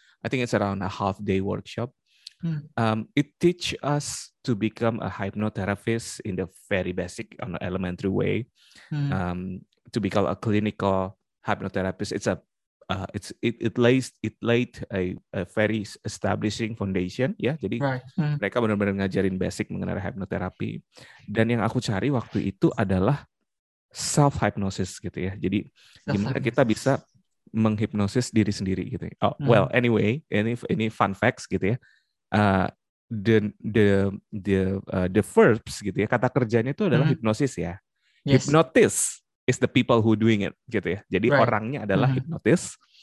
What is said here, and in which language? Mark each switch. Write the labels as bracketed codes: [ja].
[en] I think it's around a half day workshop. It teach us to become a hypnotherapist in the very basic on the elementary way. To become a clinical hypnotherapist, it laid a very establishing foundation, ya. [id] Yeah? Jadi mereka benar-benar ngajarin basic mengenai hypnotherapy. Dan yang aku cari waktu itu adalah self hypnosis, gitu ya. Jadi gimana kita bisa menghipnosis diri sendiri, gitu. [en] Oh, well, anyway, ini fun facts, gitu ya. The verbs, gitu ya. [id] Kata kerjanya itu adalah hypnosis, ya. [en] Yes. Hypnotist is the people who doing it, gitu ya. [id] Jadi orangnya adalah hipnotis.